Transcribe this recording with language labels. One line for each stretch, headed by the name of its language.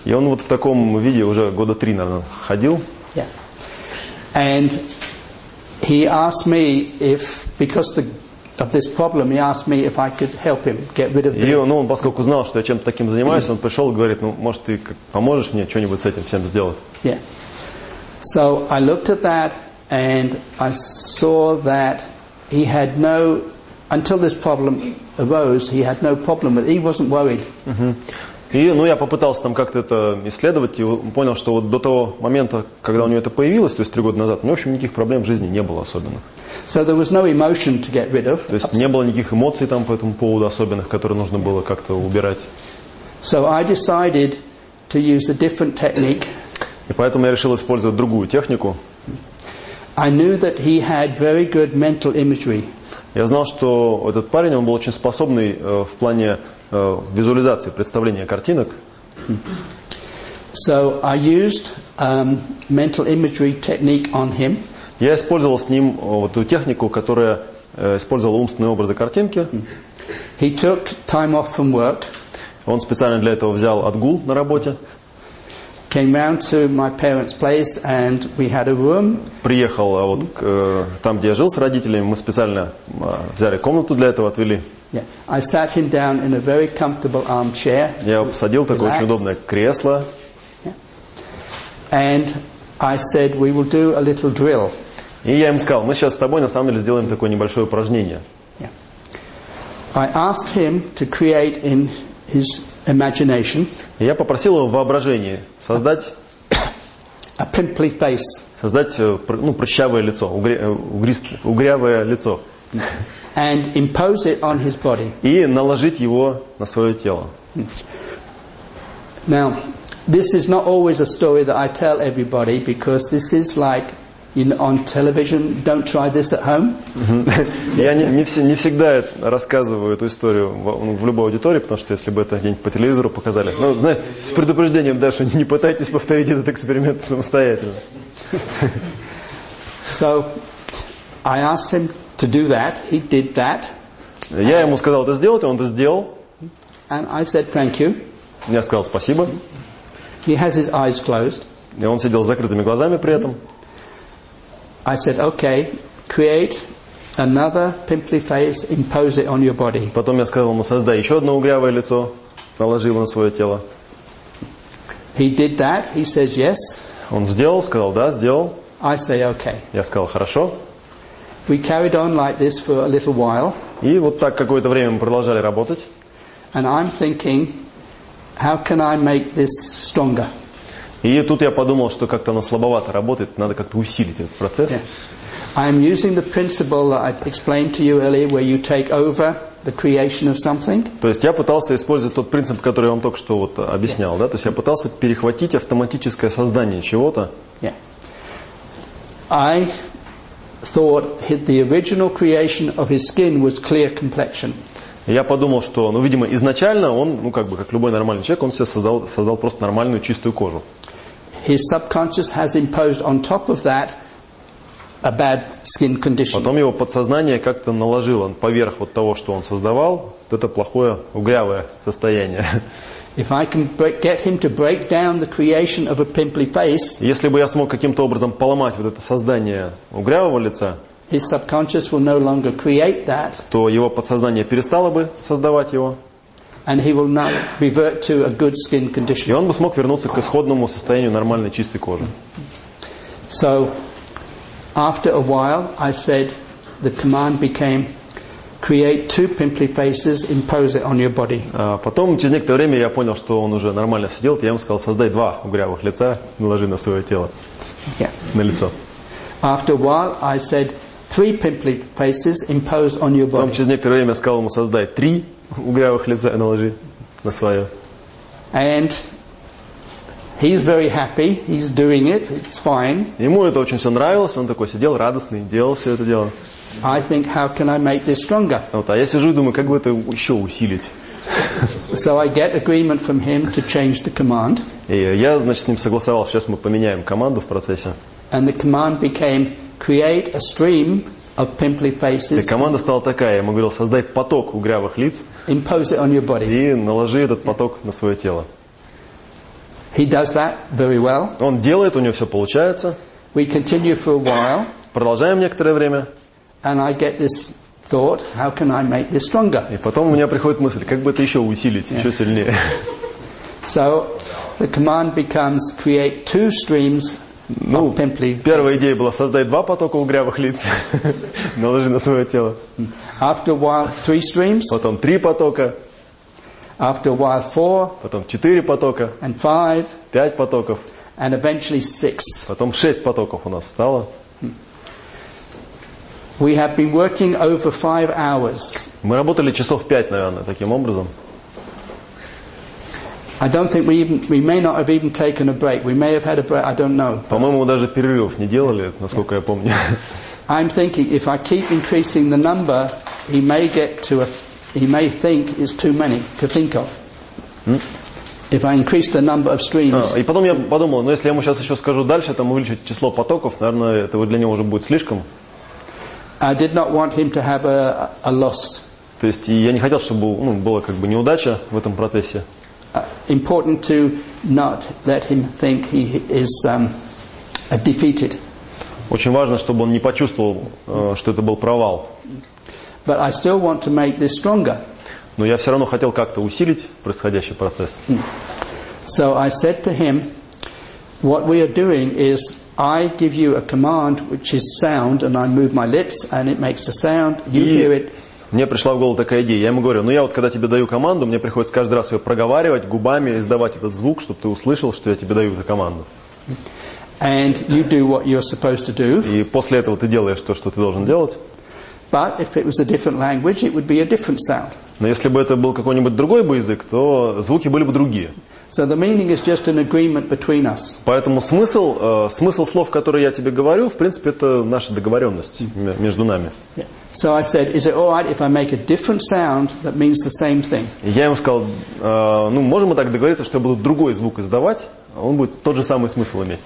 Russian: И он вот в таком виде уже года три, наверное, ходил.
English: Yeah. And he asked me if, because the of this problem, he asked me if I could help him get rid of the.
Russian: И, ну, он, поскольку знал, что я чем-то таким занимаюсь, он пришел и говорит, ну, может, ты поможешь мне что-нибудь с этим всем сделать?
English: Yeah. So I looked at that and I saw that he had no, until this problem arose, he had no problem with it. He wasn't worried.
Russian: И, ну, я попытался там как-то это исследовать и понял, что вот до того момента, когда у него это появилось, то есть 3 года назад, у него, в общем, никаких проблем в жизни не было особенных.
English: So there was no emotion to get rid of.
Russian: То есть не было никаких эмоций там по этому поводу особенных, которые нужно было как-то убирать.
English: So I decided to use a different technique.
Russian: И поэтому я решил использовать другую технику.
English: I knew that he had very good mental imagery.
Russian: Я знал, что этот парень, он был очень способный в плане визуализации, представления картинок.
English: So I used mental imagery technique on him.
Russian: Я использовал с ним вот эту технику, которая использовала умственные образы картинки.
English: He took time off from work.
Russian: Он специально для этого взял отгул на работе.
English: Came round to my parents' place and we had a room.
Russian: Приехал вот там, где я жил с родителями, мы специально взяли комнату для этого, отвели.
English: Yeah. I sat him down in a very comfortable armchair.
Russian: Я посадил такое очень удобное кресло.
English: Yeah. And I said we will do a little drill.
Russian: И я им сказал, мы сейчас с тобой на самом деле сделаем такое небольшое упражнение.
English: Yeah. I asked him to create in his imagination.
Russian: Я попросил его в воображении создать
English: a pimply face.
Russian: Создать, ну, прыщавое лицо, угрявое лицо.
English: And impose it on his body.
Russian: И наложить его на свое тело.
English: Now, this is not always a story that I tell everybody because this is like, you know, on television. Don't try this at home.
Russian: Я не всегда рассказываю эту историю в любой аудитории, потому что если бы это где-нибудь по телевизору показали, ну, знаешь, с предупреждением, да, что не пытайтесь повторить этот эксперимент самостоятельно.
English: So, I asked him to do that. He did that.
Russian: Я ему сказал это сделать, он это сделал.
English: And I said thank you.
Russian: Я сказал спасибо.
English: He has his eyes closed.
Russian: И он сидел с закрытыми глазами при этом.
English: I said, okay, create another pimply face, impose it on your body.
Russian: Потом я сказал ему, создай еще одно угрявое лицо, наложи его на свое тело.
English: He did that. He says yes.
Russian: Он сделал, сказал да, сделал.
English: I say okay.
Russian: Я сказал хорошо.
English: We carried on like this for a little while.
Russian: И вот так какое-то время мы продолжали работать.
English: And I'm thinking, how can I make this stronger?
Russian: И тут я подумал, что как-то оно слабовато работает, надо как-то усилить этот процесс.
English: Yeah. I am using the principle that I explained to you earlier, where you take over the creation of something.
Russian: То есть я пытался использовать тот принцип, который я вам только что вот объяснял,
English: yeah.
Russian: да? То есть я пытался перехватить автоматическое создание чего-то.
English: Yeah. I thought the original creation of his skin was clear complexion.
Russian: Я подумал, что, ну, видимо, изначально он, ну, как бы, как любой нормальный человек, он себе создал просто нормальную чистую кожу.
English: His subconscious has imposed on top of that a bad skin condition.
Russian: Потом его подсознание как-то наложило поверх вот того, что он создавал, вот это плохое, угрявое состояние.
English: If I can get him to break down the creation of a pimply face,
Russian: если бы я смог каким-то образом поломать вот это создание угрявого лица,
English: his subconscious will no longer create that,
Russian: то его подсознание перестало бы создавать его,
English: and he will not revert to a good skin condition.
Russian: И он бы смог вернуться к исходному состоянию нормальной чистой кожи.
English: So, after a while, I said, the command became, create two pimply faces, impose it on your body.
Russian: Потом через некоторое время я понял, что он уже нормально все делает. Я ему сказал, создай два угрявых лица, наложи на свое тело,
English: yeah.
Russian: на лицо.
English: After a while, I said, three pimply faces, impose on your body.
Russian: Потом через некоторое время я сказал ему, создай три угрявых лица, наложи на свое.
English: And he's very happy. He's doing it. It's fine.
Russian: Ему это очень все нравилось. Он такой сидел радостный, делал все это дело.
English: I think, how can I make this stronger?
Russian: Вот, а я сижу и думаю, как бы это еще усилить.
English: So I get agreement from him to change the command.
Russian: И я, значит, с ним согласовал, сейчас мы поменяем команду в процессе.
English: And the command became, create a stream of pimply faces.
Russian: И команда стала такая, я ему говорил, создай поток угрявых лиц.
English: Impose it on your body.
Russian: И наложи этот поток на свое тело.
English: He does that very well.
Russian: Он делает, у него все получается.
English: We continue for a while.
Russian: Продолжаем некоторое время.
English: And I get this thought, how can I make this stronger?
Russian: И потом у меня приходит мысль, как бы это еще усилить,
English: yeah.
Russian: еще сильнее.
English: So the command becomes create two streams of pimply faces.
Russian: Ну, первая идея была создать два потока угрявых лиц, наложи на свое тело.
English: After a while, three streams.
Russian: Потом три потока.
English: After a while, four.
Russian: Потом четыре потока.
English: And five.
Russian: Пять потоков.
English: And eventually six.
Russian: Потом шесть потоков у нас стало.
English: We have been working over 5 hours.
Russian: Мы работали часов 5, наверное, таким образом.
English: I don't think we may not have even taken a break. We may have had a break, I don't know.
Russian: По-моему, мы даже перерывов не делали, насколько я помню.
English: I'm thinking if I keep increasing the number, he may get to a he may think it's too many to think of. If I increase the number of streams.
Russian: И потом я подумал, ну если я ему сейчас еще скажу дальше, там увеличить число потоков, наверное, этого для него уже будет слишком.
English: I did not want him to have a loss.
Russian: То есть я не хотел, чтобы была как бы неудача в этом процессе.
English: Important to not let him think he is defeated.
Russian: Очень важно, чтобы он не почувствовал, что это был провал.
English: But I still want to make this stronger.
Russian: Но я все равно хотел как-то усилить происходящий процесс.
English: So I said to him, what we are doing is I give you a command which is sound, and I move my lips, and it makes a sound. You hear it.
Russian: Мне пришла в голову такая идея. Я ему говорю: "Ну я вот когда тебе даю команду, мне приходится каждый раз ее проговаривать губами, издавать этот звук, чтобы ты услышал, что я тебе даю эту команду."
English: And you do what you're supposed to do.
Russian: И после этого ты делаешь то, что ты должен делать.
English: But if it was a different language, it would be a different sound.
Russian: Но если бы это был какой-нибудь другой бы язык, то звуки были бы другие.
English: So the meaning is just an agreement between us.
Russian: Поэтому смысл слов, которые я тебе говорю, в принципе, это наша договоренность между нами.
English: So I said, is it all right if I make a different sound that means the same thing?
Russian: Я ему сказал, ну можем мы так договориться, что я буду другой звук издавать, он будет тот же самый смысл иметь.